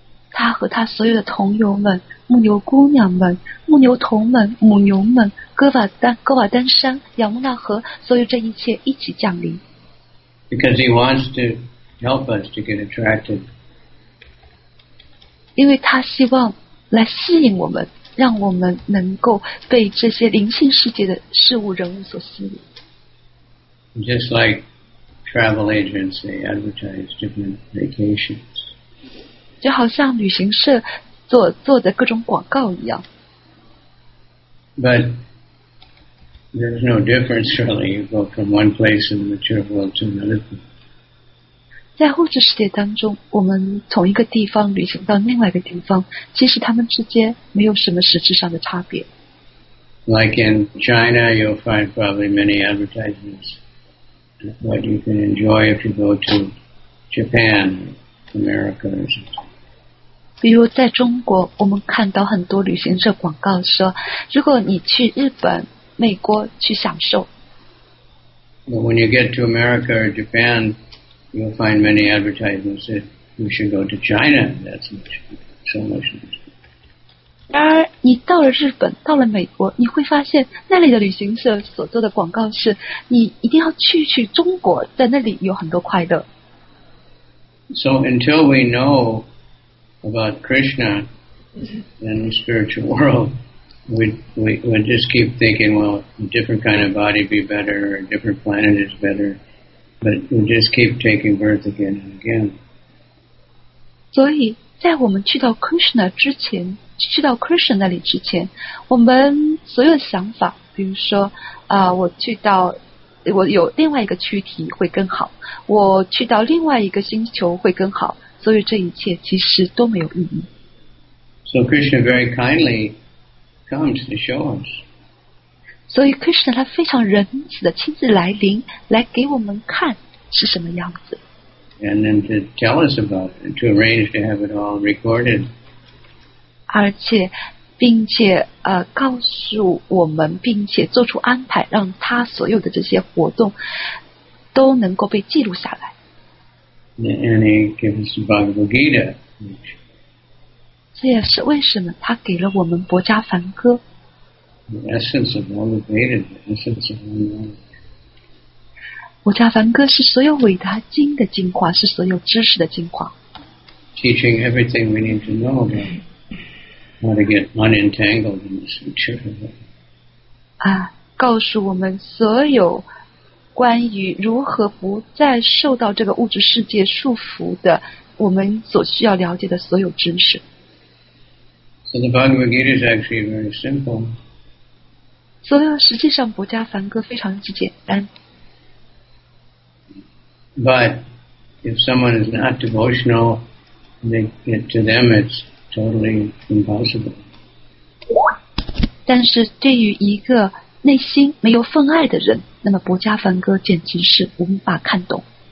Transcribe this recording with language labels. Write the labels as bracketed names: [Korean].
[Chinese] 他和他所有的同友们，牧牛姑娘们，牧牛童们，母牛们。哥瓦丹山亚穆纳河所有这一切一起降临 [English] because he wants to help us to get attracted [Chinese] 因为他希望来吸引我们让我们能够被这些灵性世界的事物人物所吸引 [English] just like travel agents they advertise different vacations [Chinese] 就好像旅行社做的各种广告一样 [English] butThere's no difference really. You go from one place in the material world to another place. [Chinese] 在物质世界当中，我们从一个地方旅行到另外一个地方，其实它们之间没有什么实质上的差别。 [English] Like in China, you'll find probably many advertisements. What you can enjoy if you go to Japan, America, or something. [Chinese] 比如在中国，我们看到很多旅行社广告说，如果你去日本。美国去享受。 [English] But when you get to America or Japan, you'll find many advertisements that you should go to China. That's much, so much. [Chinese] 然而，你到了日本，到了美国，你会发现那里的旅行社所做的广告是：你一定要去中国，在那里有很多快乐。 [English] So until we know about Krishna and the spiritual world. We just keep thinking, well, a different kind of body be better, or a different planet is better, but we just keep taking birth again and again. [Chinese] 所以在我们去到 Krishna 之前，去到 Krishna 那里之前，我们所有想法，比如说，我去到，我有另外一个躯体会更好，我去到另外一个星球会更好，所以这一切其实都没有意义。 [English] So Krishna very kindly. Comes to show us. [Chinese] 所以 Krishna 他非常仁慈的亲自来临，来给我们看是什么样子。 [English] And then to tell us about it, to arrange to have it all recorded. [Chinese] 而且，并且告诉我们，并且做出安排，让他所有的这些活动都能够被记录下来。 [English] And he gives Bhagavad Gita. [Chinese] 这也是为什么他给了我们《薄伽梵歌》。 [English] The essence of all the Veda, the essence of all the [Chinese] 《薄伽梵歌》是所有伟大经的精华，是所有知识的精华。 [English] Teaching everything we need to know about how to get unentangled in this material world. [Chinese] 告诉我们所有关于如何不再受到这个物质世界束缚的，我们所需要了解的所有知识。 [English] So the Bhagavad Gita is actually very simple. [Chinese] 所以实际上薄伽梵歌非常之简单。 [English] But if someone is not devotional, to them it's totally impossible. [Chinese] 但是对于一个内心没有分爱的人，那么薄伽梵歌简直是无法看懂。